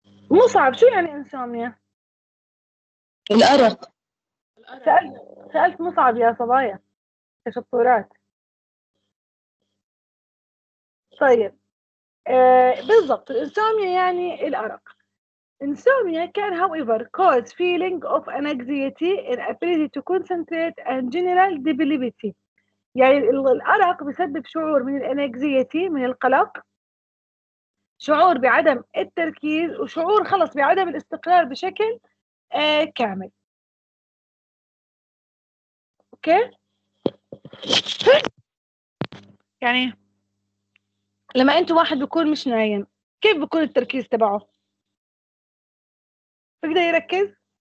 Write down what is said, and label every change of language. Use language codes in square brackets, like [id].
[ar] مو صعب، شو يعني أنسوميا؟ الأرق. سألت مو صعب يا صبايا شطورات. طيب بالضبط، الانسوميا يعني الأرق. [en] Insomnia can however cause feeling of anxiety and ability to concentrate and general debility. [ar] يعني الأرق بسبب شعور من الانكزيتي، من القلق، شعور بعدم التركيز، وشعور خلص بعدم الاستقرار بشكل كامل. اوكي، يعني لما انت واحد بيكون مش نايم كيف بيكون التركيز تبعه؟ بيقدر يركز؟